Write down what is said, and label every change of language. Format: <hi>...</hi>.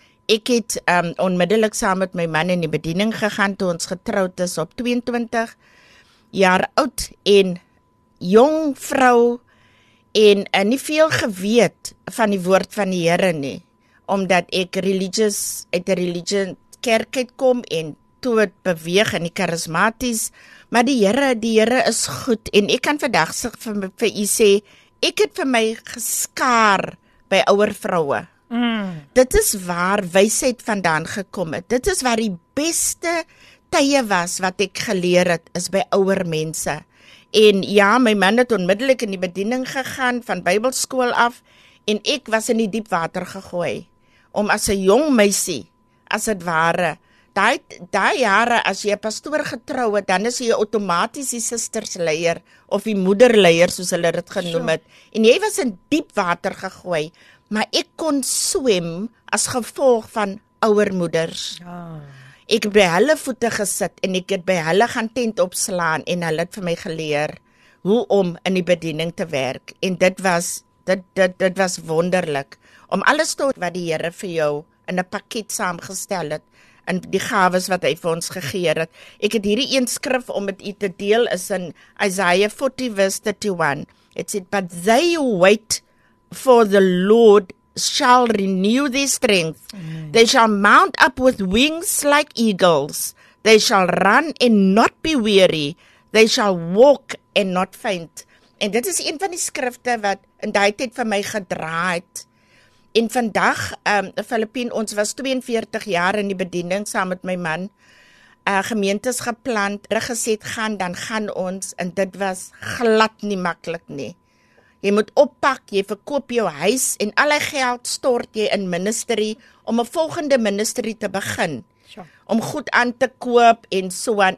<af>Ek het onmiddellik saam met my man in die bediening gegaan toe ons getroud is op 22 jaar oud en jong vrou en nie veel geweet van die woord van die Here nie. Omdat ek religious uit 'n religion kerk het kom en toe het beweeg in die karismaties, maar die Here is goed en ek kan vandag vir u sê ek het vir my geskaar by ouer vroue. Mm. Dit is waar wysheid vandaan gekom het. Dit is waar die beste tye was wat ek geleer het, is by ouer mense. En ja, my man het onmiddellik in die bediening gegaan van Bybelskool af en ek was in die diep water gegooi om as 'n jong meisie as dit ware. Daai jare as jy 'n pastoor getrou het, dan is jy outomaties die sistersleier of die moederleier soos hulle dit genoem het. En jy was in diep water gegooi. Maar ek kon swem as gevolg van ouer moeders. Ek het by hulle voete gesit en ek het by hulle gaan tent opslaan en hulle het vir my geleer hoe om in die bediening te werk. En dit was wonderlik om alles tot wat die Here vir jou in 'n pakket saamgestel het en die gawes wat hy vir ons gegee het. Ek het hierdie een skrif om met u te deel is in Isaiah 40 verse 31.</af> <en>It said, but they wait for the Lord shall renew their strength. Mm. They shall mount up with wings like eagles. They shall run and not be weary. They shall walk and not faint.</en> <af>En dit is een van die skrifte wat in daai tyd vir my gedra het. En vandag, Filippien, ons was 42 jaar in die bediening saam met my man. Gemeentes geplant, reggeset gaan, dan gaan ons. En dit was glad nie maklik nie. Jy moet oppak, jy verkoop jou huis en al die geld stort jy in ministerie om 'n volgende ministerie te begin. Om goed aan te koop en so aan.</af>